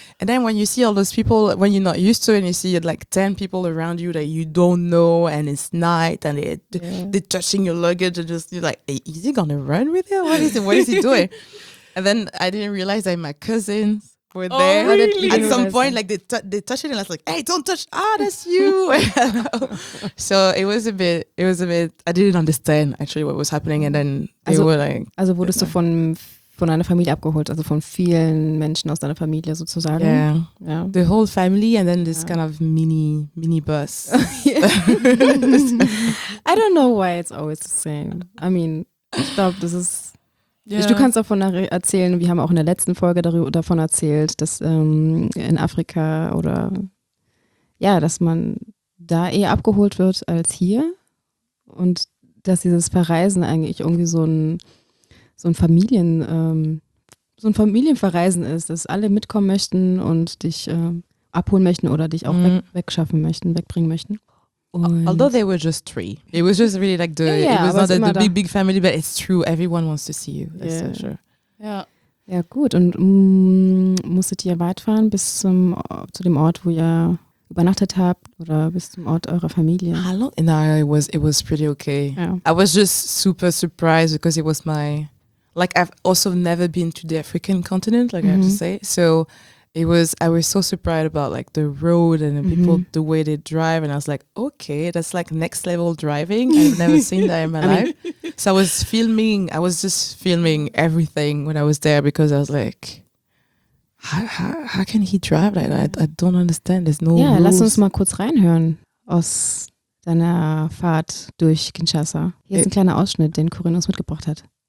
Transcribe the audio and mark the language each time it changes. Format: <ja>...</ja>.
<en>And then when you see all those people, when you're not used to it and you see it, like 10 people around you that you don't know and it's night and they're touching your luggage and just you're like, hey, is he going to run with it? What is he doing? And then I didn't realize that my cousins were there. Oh, really? At some point, like they touched it and I was like, hey, don't touch. Ah, that's you. So it was a bit, I didn't understand actually what was happening. And then they were like.</en> <de>Also wurdest du von einer Familie abgeholt, also von vielen Menschen aus deiner Familie sozusagen.</de> <en>Yeah. The whole family and then this kind of mini bus. I don't know why it's always the same. I mean,</en> <de>ich glaube, das ist. Yeah. Du kannst davon erzählen, wir haben auch in der letzten Folge davon erzählt, dass in Afrika oder ja, dass man da eher abgeholt wird als hier und dass dieses Verreisen eigentlich irgendwie so ein Familienverreisen ist, dass alle mitkommen möchten und dich abholen möchten oder dich auch wegschaffen möchten, wegbringen möchten.</de> <en>Und although they were just three, it was just really like the it was not the big family, but it's true. Everyone wants to see you. That's for sure.</en> <de>Ja, gut. Und musstet ihr weit fahren bis zu dem Ort, wo ihr übernachtet habt, oder bis zum Ort eurer Familie?</de> <en>Hallo. No, it was pretty okay. Yeah. I was just super surprised because it was my like I've also never been to the African continent, like I have to say. So. I was so surprised about like the road and the people, the way they drive. And I was like, okay, that's like next level driving. I've never seen that in my life. So I was just filming everything when I was there because I was like, how can he drive like that? I don't understand. There's no rules.</en> <de>Lass uns mal kurz reinhören aus deiner Fahrt durch Kinshasa. Hier ist ein kleiner Ausschnitt, den Corinne uns mitgebracht hat.</de>